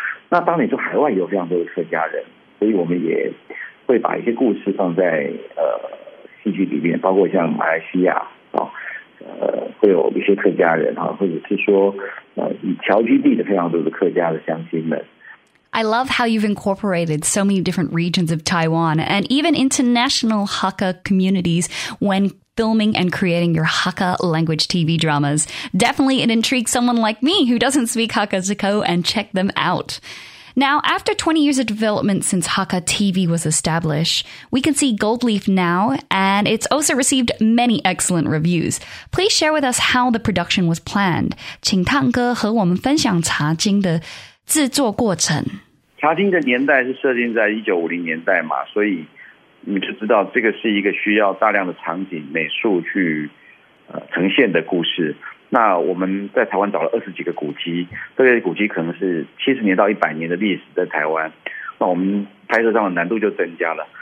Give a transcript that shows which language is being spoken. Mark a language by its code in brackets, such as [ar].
[zh] 那当然，就海外有非常多的客家人，所以我们也会把一些故事放在戏剧里面，包括像马来西亚啊，会有一些客家人啊，或者是说侨居地的非常多的客家的乡亲们。 [en] I love how you've incorporated so many different regions of Taiwan and even international Hakka communities when filming and creating your Hakka language TV dramas. Definitely it intrigues someone like me who doesn't speak Hakka to go and check them out. Now, after 20 years of development since Hakka TV was established, we can see Gold Leaf now, and it's also received many excellent reviews. Please share with us how the production was planned. [zh] 请汤哥和我们分享茶经的制作过程。茶经的年代是设定在1950年代嘛，所以你就知道这个是一个需要大量的场景美术去呈现的故事。那我们在台湾找了20几个古迹，这些古迹可能是70年到100年的历史在台湾，那我们拍摄上的难度就增加了。